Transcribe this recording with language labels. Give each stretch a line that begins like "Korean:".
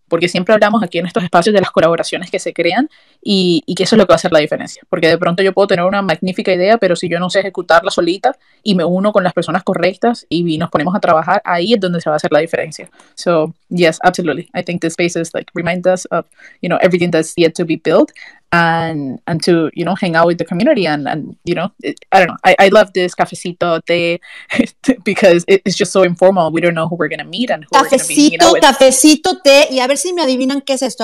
Spanish: Porque siempre hablamos aquí en estos espacios de las colaboraciones que se crean y que eso es lo que va a hacer la diferencia. Porque de pronto yo puedo tener una magnífica idea, pero si yo no sé ejecutarla solita y me uno con las personas correctas y nos ponemos a trabajar, ahí es donde se va a hacer la diferencia.
English: So, yes, absolutely. I think the spaces like remind us of, you know, everything that's yet to be built and to, you know, hang out with the community and you know, it, I don't know. I love this cafecito té because it's just so informal. We don't know who we're going to meet and who cafecito, meeting with.
Spanish: Cafecito, cafecito, té, y a ver si me adivinan qué es esto.